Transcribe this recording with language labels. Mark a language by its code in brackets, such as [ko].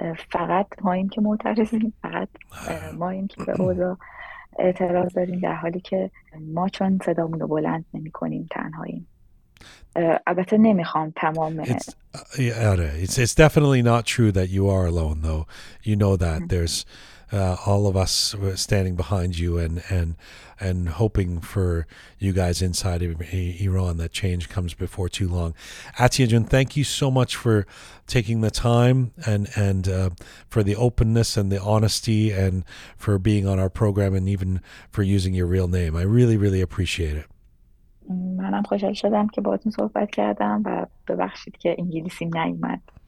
[fa] فقط ما این که معترضیم، فقط ما این که به اوضاع اعتراض داریم، در حالی که ما چون صدامون رو بلند نمی کنیم تنهاییم. البته نمی خوام تمام [en] it's definitely not true that you are alone though. You know that there's all of us standing behind you and hoping for you guys inside of Iran that change comes before too long. Atiyajun, thank you so much for taking the time and for the openness and the honesty and for being on our program and even for using your real name. I really, really appreciate it. [fa] منم خوشحال شدم که باهاتون صحبت کردم و ببخشید که انگلیسی نیومد.